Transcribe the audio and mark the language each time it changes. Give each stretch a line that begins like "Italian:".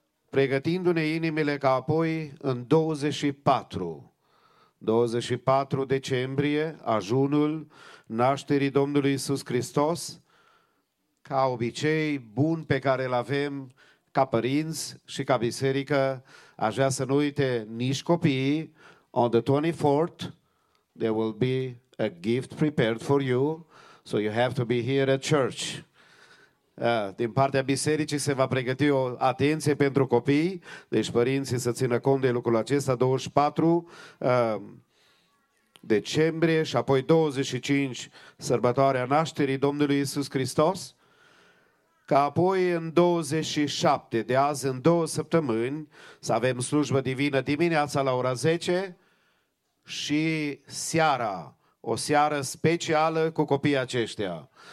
Romanian: pregătindu-ne inimile ca apoi în 24 decembrie, ajunul nașterii Domnului Iisus Hristos, ca obicei bun pe care îl avem ca părinți și ca biserică, aș vrea să nu uite nici copiii.
English: On the 24th, there will be a gift prepared for you, so you have to be here at church.
Romanian: Din partea bisericii se va pregăti o atenție pentru copii, deci părinții să țină cont de lucrul acesta, 24 decembrie și apoi 25, sărbătoarea nașterii Domnului Iisus Hristos, ca apoi în 27, de azi în două săptămâni, să avem slujbă divină dimineața la ora 10 și seara, o seară specială cu copiii aceștia.